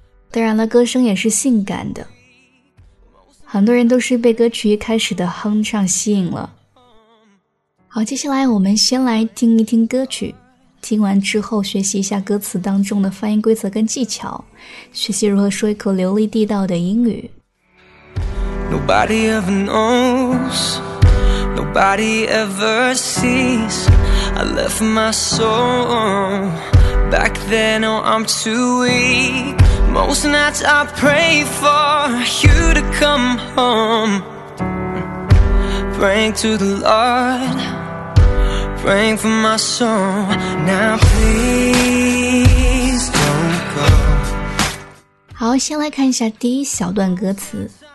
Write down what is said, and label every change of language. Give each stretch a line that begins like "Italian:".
Chinese: 当然了，歌声也是性感的，很多人都是被歌曲一开始的哼唱吸引了。好，接下来我们先来听一听歌曲，听完之后学习一下歌词当中的发音规则跟技巧，学习如何说一口流利地道的英语。
English: Nobody ever knows, Nobody ever sees, I left my soul back then, oh I'm too weakMost nights I pray for you to come home. Praying to the Lord, praying for my soul. Now please don't go.
Chinese: 好，先来看一下第一小段歌词。